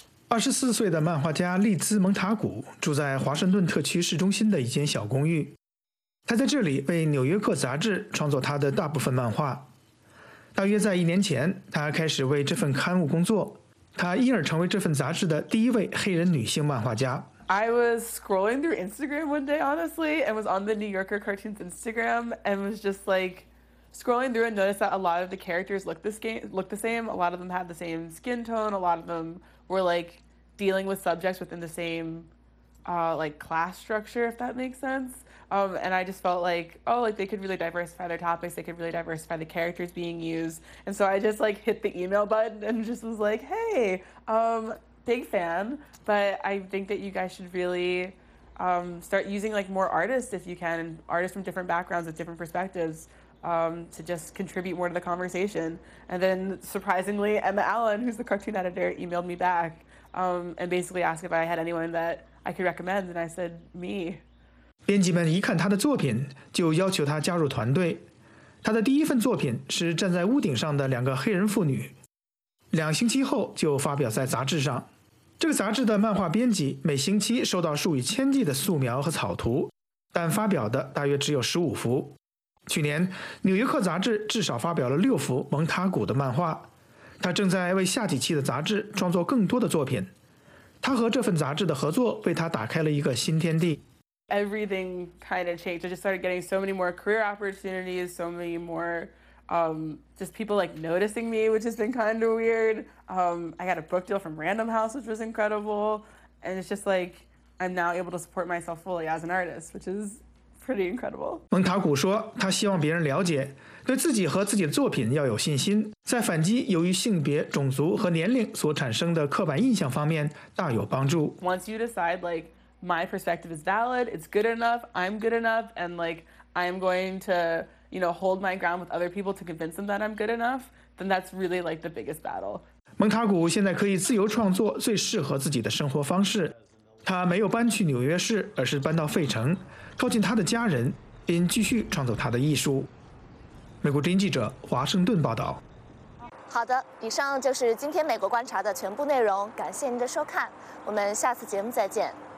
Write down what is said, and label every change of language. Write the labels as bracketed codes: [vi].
[zh] 24岁的漫画家利兹·蒙塔古住在华盛顿特区市中心的一间小公寓，他在这里为《纽约客》杂志创作他的大部分漫画。大约在一年前，他开始为这份刊物工作，他因而成为这份杂志的第一位黑人女性漫画家。 [en] I was scrolling through Instagram one day, honestly, and was on the New Yorker Cartoons Instagram and was just like scrolling through and noticed that a lot of the characters looked the same. A lot of them had the same skin tone. A lot of them were like dealing with subjects within the same like class structure, if that makes sense. And I just felt like, oh, like they could really diversify their topics. They could really diversify the characters being used. And so I just like hit the email button and just was like, hey, big fan, but I think that you guys should really start using like more artists if you can, artists from different backgrounds with different perspectives to just contribute more to the conversation. And then surprisingly, Emma Allen, who's the cartoon editor, emailed me back and basically asked if I had anyone that I could recommend, and I said, me. [zh] 编辑们一看他的作品，就要求他加入团队。他的第一份作品是站在屋顶上的两个黑人妇女，两星期后就发表在杂志上。这个杂志的漫画编辑每星期收到数以千计的素描和草图，但发表的大约只有15幅。去年《纽约客》杂志至少发表了6幅蒙塔古的漫画，他正在为下几期的杂志创作更多的作品。他和这份杂志的合作为他打开了一个新天地。 [en] Everything kind of changed. I just started getting so many more career opportunities, so many more just people like noticing me, which has been kind of weird. I got a book deal from Random House, which was incredible. And it's just like, I'm now able to support myself fully as an artist, which is pretty incredible. [zh] 蒙塔古说他希望别人了解，对自己和自己的作品要有信心，在反击由于性别、种族和年龄所产生的刻板印象方面大有帮助。 [en] Once you decide like my perspective is valid, it's good enough, I'm good enough, and like I'm going to hold my ground with other people to convince them that I'm good enough, then that's really like the biggest battle. [zh] 蒙塔古现在可以自由创作最适合自己的生活方式。他没有搬去纽约市，而是搬到费城，靠近他的家人，并继续创作他的艺术。美国之音记者华盛顿报道。好的，以上就是今天美国观察的全部内容，感谢您的收看，我们下次节目再见。